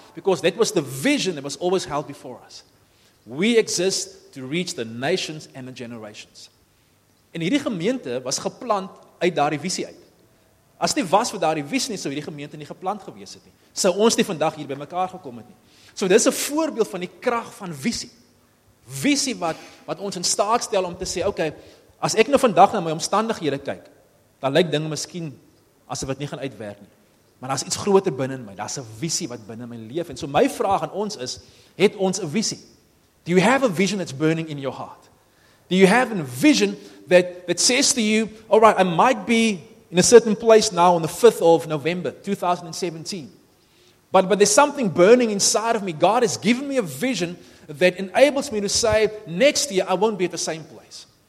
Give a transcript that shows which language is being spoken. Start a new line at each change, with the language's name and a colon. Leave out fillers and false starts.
English: Because that was the vision that was always held before us. We exist to reach the nations and the generations.
Afrikaans: En hierdie gemeente was geplant uit daardie visie uit. As dit was vir daardie visie nie, sou hierdie gemeente nie geplant gewees het nie. Sou ons nie vandag hier bymekaar gekom het nie. So dis 'n voorbeeld van die krag van visie. Visie wat ons in staat stel om te sê, okay, as ek nou vandag na my omstandighede kyk, dan lyk dinge miskien asof dit nie gaan uitwerk nie. Maar daar's iets groter binne in my. Daar's 'n visie wat binne my leef. En so my vraag aan ons is, het ons 'n visie?
English: Do you have a vision that's burning in your heart? Do you have a vision that says to you, all right, I might be in a certain place now on the 5th of November, 2017, but there's something burning inside of me. God has given me a vision that enables me to say, next year, I won't be at the same place.